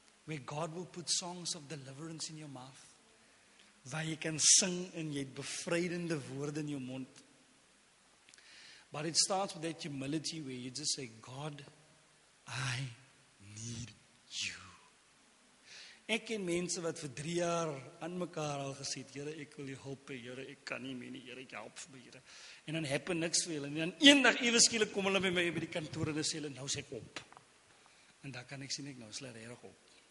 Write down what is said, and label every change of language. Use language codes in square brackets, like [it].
[en] Where God will put songs of deliverance in your mouth. [af] Waar jy kan sing en jy het bevrydende woorde in jou mond. [en] But it starts with that humility where you just say, God, I need you. [af] Ek ken mense wat vir 3 jaar aan mekaar al gesê, Here, ek wil jy help, Here, ek kan nie meer nie, Here, ek help vir my, Here. En dan happen niks vir julle. En dan een dag ewe skielik kom hulle by my by die kantoor en sê hulle, nou sê ek op. En daar kan ek sien, ek nou sê reg op.